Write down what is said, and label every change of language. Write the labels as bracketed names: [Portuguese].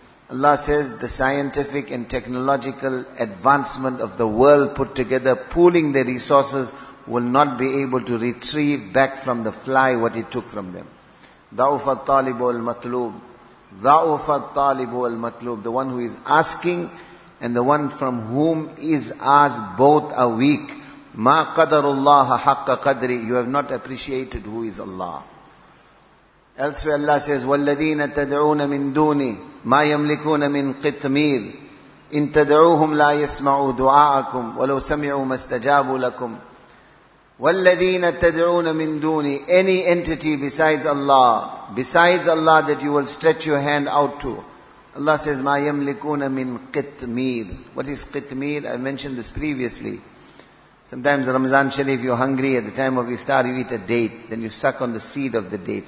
[English] Allah says the scientific and technological advancement of the world put together, pooling their resources, will not be able to retrieve back from the fly what it took from them. [Arabic] Da'ufa talibu al-matlub. Da'ufa talibu al-matlub. [English] The one who is asking and the one from whom is asked, both are weak. [Arabic] Ma qadarullaha haqqa qadri. [English] You have not appreciated who is Allah. Elsewhere Allah says, [Arabic] وَالَّذِينَ تَدْعُونَ مِن دُونِي مَا يَمْلِكُونَ مِن قِتْمِيرٍ إِن تَدْعُوهُمْ لَا يَسْمَعُوا دُعَاءَكُمْ وَلَوْ سَمِعُوا مَا اسْتَجَابُوا لَكُمْ وَالَّذِينَ تَدْعُونَ مِن دُونِي. [English] Any entity besides Allah that you will stretch your hand out to, Allah says, [Arabic] مَا يَمْلِكُونَ مِن قِتْمِيرٍ. [English] What is qitmir? I mentioned this previously. Sometimes Ramadan Sharif, you're hungry at the time of iftar, you eat a date, then you suck on the seed of the date.